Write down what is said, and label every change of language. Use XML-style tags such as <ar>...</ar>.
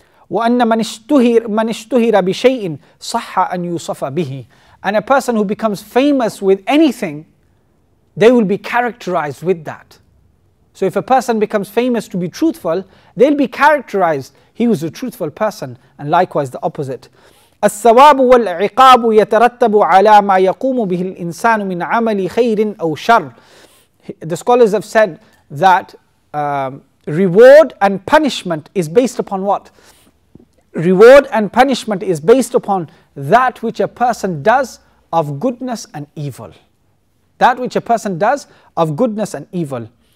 <ar>وَأَنَّ مَنِشْتُهِرَ بِشَيْءٍ صَحَّ أَنْ يُصَفَ بِهِ.</ar> <en>And a person who becomes famous with anything, they will be characterized with that. So if a person becomes famous to be truthful, they'll be characterized, he was a truthful person, and likewise the opposite.</en> <ar>الثواب والعقاب يترتب على ما يقوم به الإنسان من عمل خير أو شر.</ar> <en>The scholars have said that reward and punishment is based upon what? Reward and punishment is based upon that which a person does of goodness and evil. That which a person does of goodness and evil.</en>